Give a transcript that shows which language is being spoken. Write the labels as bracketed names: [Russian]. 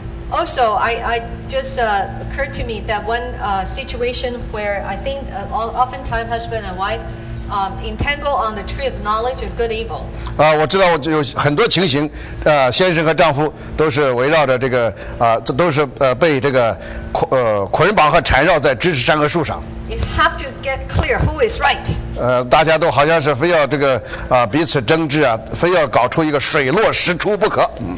[English] Also, I just occurred to me that one situation where I think oftentimes husband and wife entangle on the tree of knowledge of good evil. [Chinese] 我知道有很多情形，先生和丈夫都是围绕着这个这都是被这个捆绑和缠绕在知识山和树上。 [English] You have to get clear who is right. [Chinese] 大家都好像是非要这个彼此争执啊，非要搞出一个水落石出不可。